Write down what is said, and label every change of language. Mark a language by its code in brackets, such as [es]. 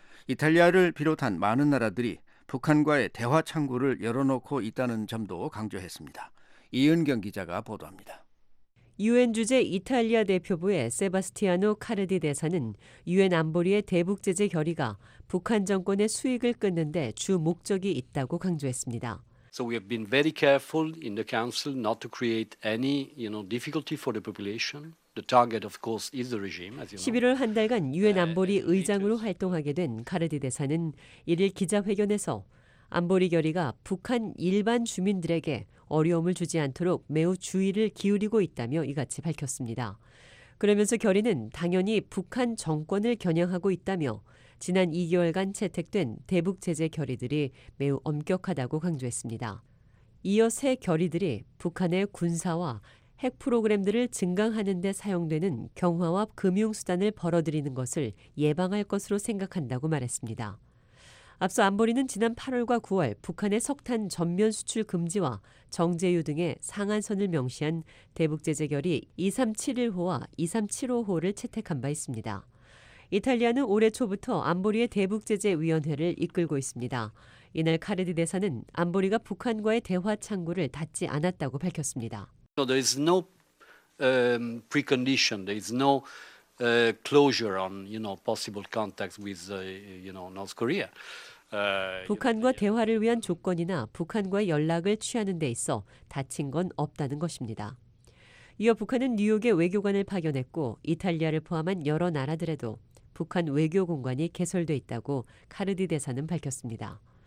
[ko] 이탈리아를 비롯한 많은 나라들이 북한과의 대화 창구를 열어놓고 있다는 점도 강조했습니다. 이은경 기자가 보도합니다. 유엔 주재 이탈리아 대표부의 세바스티아노 카르디 대사는 유엔 안보리의 대북 제재 결의가 북한 정권의 수익을 끊는 데 주 목적이 있다고 강조했습니다. [en] So we have been very careful in the council not to create any, you know, difficulty for the population. The target, of course, is the regime. As you know. [ko] 11월 한 달간 유엔 안보리 의장으로 활동하게 된 카르디 대사는 이를 기자회견에서 안보리 결의가 북한 일반 주민들에게 어려움을 주지 않도록 매우 주의를 기울이고 있다며 이같이 밝혔습니다. 그러면서 결의는 당연히 북한 정권을 겨냥하고 있다며 지난 2개월간 채택된 대북 제재 결의들이 매우 엄격하다고 강조했습니다. 이어 새 결의들이 북한의 군사와 핵 프로그램들을 증강하는 데 사용되는 경화와 금융수단을 벌어들이는 것을 예방할 것으로 생각한다고 말했습니다. 앞서 안보리는 지난 8월과 9월 북한의 석탄 전면 수출 금지와 정제유 등의 상한선을 명시한 대북제재 결의 2371호와 2375호를 채택한 바 있습니다. 이탈리아는 올해 초부터 안보리의 대북제재위원회를 이끌고 있습니다. 이날 카르디 대사는 안보리가 북한과의 대화 창구를 닫지 않았다고 밝혔습니다. [en] So there is no precondition. There is no closure on, you know, possible contacts with, you know, North Korea. [ko] 북한과 대화를 위한 조건이나 북한과 연락을 취하는 데 있어 닫힌 건 없다는 것입니다. 이어 북한은 뉴욕에 외교관을 파견했고 이탈리아를 포함한 여러 나라들에도 북한 외교 공관이 개설돼 있다고 카르디 대사는 밝혔습니다.